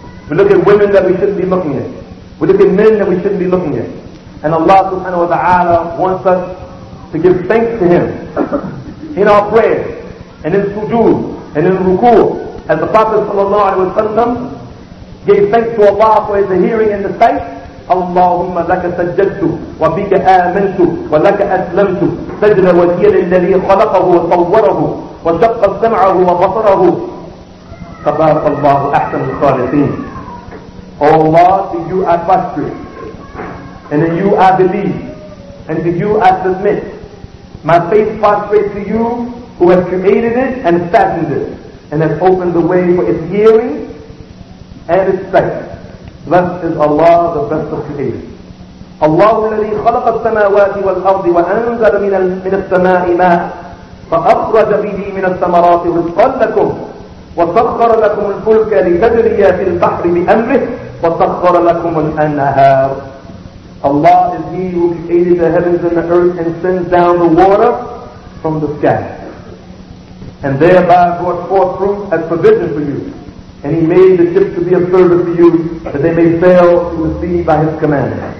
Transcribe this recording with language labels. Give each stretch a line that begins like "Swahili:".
English: We look at women that we shouldn't be looking at. We look at men that we shouldn't be looking at. And Allah subhanahu wa ta'ala wants us to give thanks to Him in our prayers and in sujood and in ruku', as the Prophet sallallahu alaihi wasallam gave thanks to Allah for His hearing and the sight.
Arabic: اللهم لك سجدت وبك آمنت ولك أسلمت سجد وجهي للذي خلقه وصوره وشق سمعه وبصره تبارك الله أحسن الخالقين.
English: O Allah, to You I prostrate, and in You I believe, and to You I submit. My faith prostrates to You who has created it and fashioned it, and has opened the way for its hearing and its sight. Blessed is Allah, the best of creators.
Arabic: Allah الذي خلق السماوات والأرض وأنزل من السماء ماء فأخرج به من الثمرات رزقا لكم وسخر لكم الفلك لتجري في البحر بأمره وسخر لكم الأنهار.
English: Allah is He who created the heavens and the earth and sends down the water from the sky, and thereby brought forth fruit as provision for you. And He made the ships to be a servant to you, that they may sail to the sea by His command.